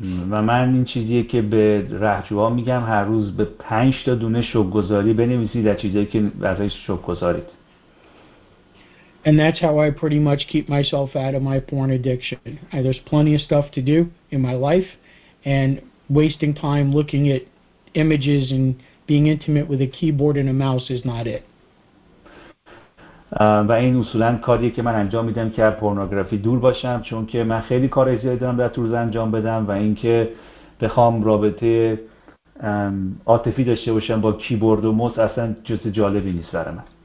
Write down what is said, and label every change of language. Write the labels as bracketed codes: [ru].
[fa] و من این چیزیه که به رهجوها میگم هر روز به 5 تا دونه شکرگزاری بنویسید در چیزی که ازش شکرگزارید. [en] And that's how I pretty much keep myself out of my porn addiction. There's plenty of stuff to do in my life and wasting time looking at images and being intimate with a keyboard and a mouse is not it. [fa] و این اصولاً کاریه که من انجام میدم که از پورنوگرافی دور باشم، چون که من خیلی کارهای زیادی دارم در طول روز انجام بدم و اینکه بخوام رابطه عاطفی داشته باشم با کیبورد و موس اصلاً چیز جالبی نیست برای من.